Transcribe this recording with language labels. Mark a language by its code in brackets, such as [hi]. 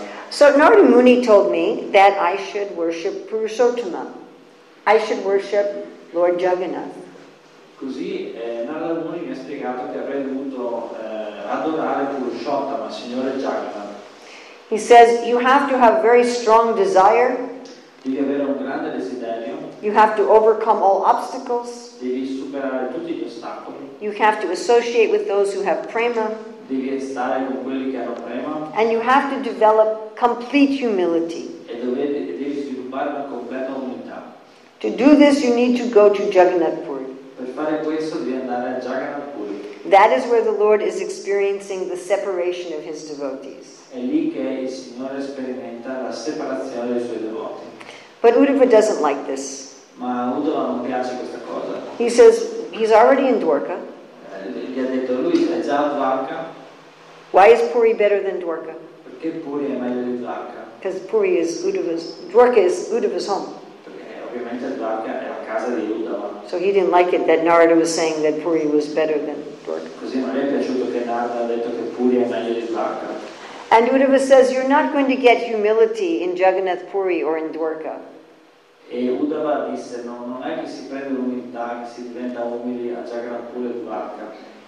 [en] So Narada Muni told me that I should worship Purushottama. I should worship Lord Jagannath. [it] Così Narada Muni mi ha spiegato che avrei dovuto adorare Purushottama, Signore Jagannath. [en] He says you have to have very strong desire. [it] Devi avere un grande desiderio. [en] You have to overcome all obstacles. [it] Devi superare tutti gli ostacoli. [en] You have to associate with those who have prema. [it] Devi stare con quelli che hanno prema. [en] And you have to develop complete humility. [it] E devi sviluppare una completa umiltà. [en] To do this, you need to go to Jagannath Puri. [it] Per fare questo, devi andare a Jagannath Puri. [en] That is where the Lord is experiencing the separation of his devotees. [it] È lì che il Signore sperimenta la separazione dei suoi devoti. [en] But Uddhava doesn't like this. [it] Ma Uddhava non piace questa cosa. [en] He says, he's already in Dwarka. [it] Gli ha detto, lui è già a Dwarka. [en] Why is Puri better than Dwarka? [it] Perché Puri è meglio di Dwarka? [en] Because Puri is Uddhava's, Dwarka is Uddhava's home. [it] Perché ovviamente Dwarka è la casa di Uddhava. [en] So he didn't like it that Narada was saying that Puri was better than Dwarka. [it] Così non è piaciuto che Narada ha detto che Puri è meglio di Dwarka. [en] And Uddhava says, you're not going to get humility in Jagannath Puri or in Dwarka. [it] E Uddhava disse, non è che si prende l'umiltà, che si diventa umili a Jagannath Puri e Dwarka.